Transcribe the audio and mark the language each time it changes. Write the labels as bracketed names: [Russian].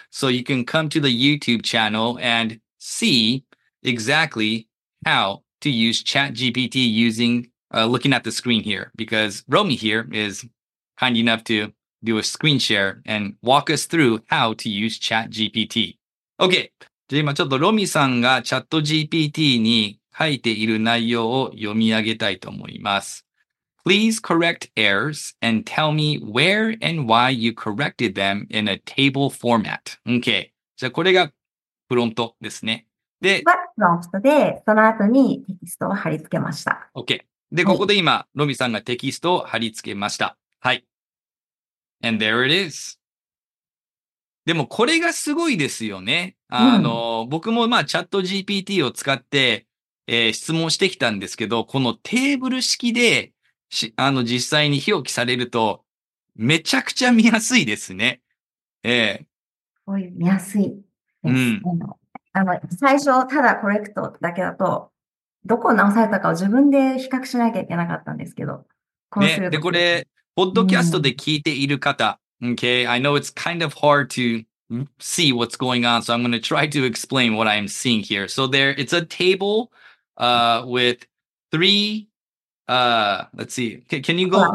[English] So you can come to the YouTube channel and see exactly how to use ChatGPT using looking at the screen here. Because Romy here is kind enough to do a screen share and walk us through how to use ChatGPT. Okay. [Japanese] じゃあ今ちょっとロミさんが ChatGPT に書いている内容を読み上げたいと思います。 [English] Please correct errors and tell me where and why you corrected them in a table format. Okay. [Japanese] じゃあこれがプロンプトですね。で、プロンプトでその後にテキストを貼り付けました。 [English] Okay. [Japanese] で、ここで今、ロミさんがテキストを貼り付けました。はい。 [English] And there it is. [Japanese] でもこれがすごいですよね。僕もチャット GPT を使って、質問してきたんですけど、このテーブル式で実際に表記されると、めちゃくちゃ見やすいですね。すごい見やすいです。最初、ただコレクトだけだと、どこを直されたかを自分で比較しなきゃいけなかったんですけど、こうすると。で、これ、ポッドキャストで聞いている方、 [English] okay, I know it's kind of hard to see what's going on, so I'm going to try to explain what I'm seeing here. So there, it's a table, with three, let's see. Can you go?